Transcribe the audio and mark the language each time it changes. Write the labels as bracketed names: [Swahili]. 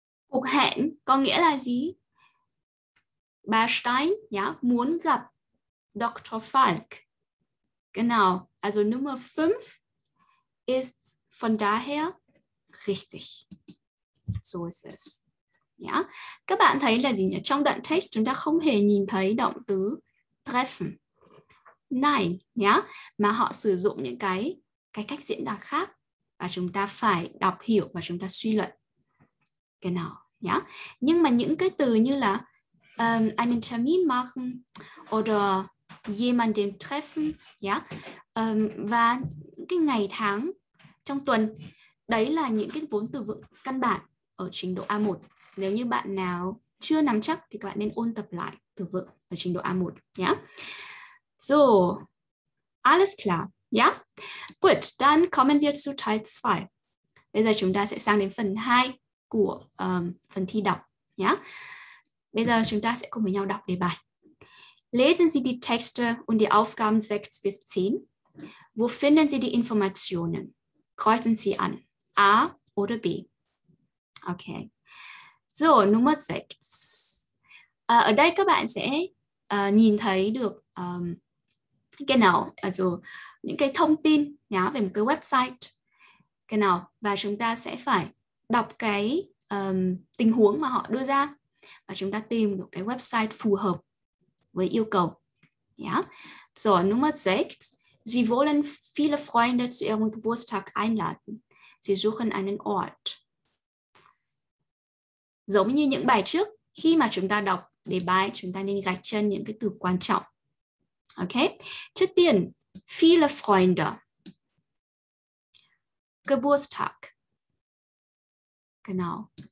[Vietnamese] Cuộc hẹn có nghĩa là gì? Bà Stein, ja, muốn gặp Dr. Falk. [German] Genau, also Nummer 5 ist von daher richtig. So ist es. [Vietnamese] Ja, các bạn thấy là gì nhỉ? Trong đoạn text chúng ta không hề nhìn thấy động từ treffen. Nein, ja, mà họ sử dụng những cái cách diễn đạt khác và chúng ta phải đọc hiểu và chúng ta suy luận. Genau, ja. Nhưng mà những cái từ như là [German] einen Termin machen oder jemanden treffen, [Vietnamese] ja, và cái ngày tháng trong tuần Đấy là những cái vốn từ vựng căn bản ở trình độ A1. Nếu như bạn nào chưa nắm chắc thì các bạn nên ôn tập lại từ vựng ở trình độ A1 nhé. [German] So, alles klar, yeah? Good, dann kommen wir zu Teil 2. [Vietnamese] Bây giờ chúng ta sẽ sang đến phần 2 của phần thi đọc nhé. Bây giờ chúng ta sẽ cùng với nhau đọc đề bài. [German] Lesen Sie die Texte und die Aufgaben 6 bis 10. Wo finden Sie die Informationen? Kreuzen Sie an A oder B. Okay. So, Nummer 6. [Vietnamese] Ở đây các bạn sẽ nhìn thấy được genau, also những cái thông tin nhá về một cái website. Genau, và chúng ta sẽ phải đọc cái tình huống mà họ đưa ra và chúng ta tìm được cái website phù hợp với yêu cầu. [German] Yeah. So, Nummer 6. Sie wollen viele Freunde zu Ihrem Geburtstag einladen. Sie suchen einen Ort. [Vietnamese] Giống như những bài trước, khi mà chúng ta đọc đề bài, chúng ta nên gạch chân những cái từ quan trọng. Ok. Trước tiên, [German] viele Freunde. Geburtstag. Genau.